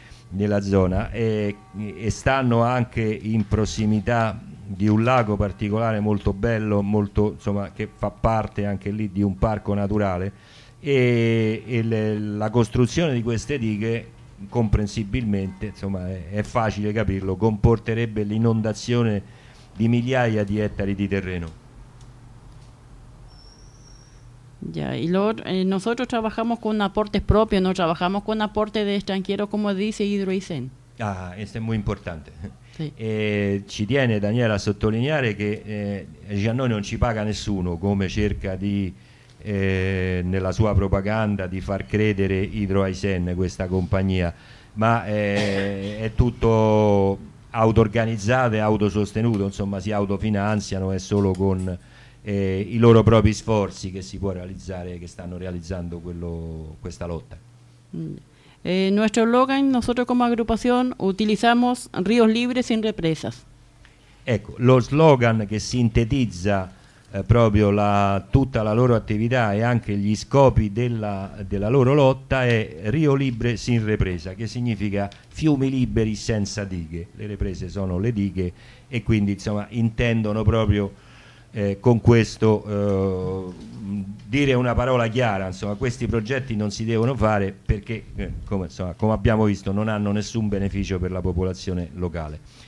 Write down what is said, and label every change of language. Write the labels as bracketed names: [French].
[Italian] nella zona, e stanno anche in prossimità di un lago particolare molto bello, molto, insomma, che fa parte anche lì di un parco naturale, e la costruzione di queste dighe comprensibilmente, insomma, è facile capirlo, comporterebbe l'inondazione di migliaia di ettari di terreno. [Spanish] Ya, y nosotros trabajamos con aportes propios, no trabajamos con aportes de extranjeros, como dice Hidroaysén. Ah, esto es muy importante. Sí. [Italian] Ci tiene Daniela a sottolineare che a noi non ci paga nessuno, come cerca di nella sua propaganda di far credere Hidroaysén, questa compagnia, ma è tutto auto-organizzato e autosostenuto, insomma si autofinanziano, è solo con i loro propri sforzi che si può realizzare, che stanno realizzando questa lotta. [Spanish] Nuestro slogan, nosotros como agrupación utilizamos ríos libres sin represas. [Italian] Ecco, lo slogan che sintetizza proprio tutta la loro attività e anche gli scopi della loro lotta è [Spanish] Rio Libre sin Represa, [Italian] che significa fiumi liberi senza dighe. Le riprese sono le dighe, e quindi insomma intendono proprio con questo dire una parola chiara, insomma questi progetti non si devono fare perché come abbiamo visto non hanno nessun beneficio per la popolazione locale.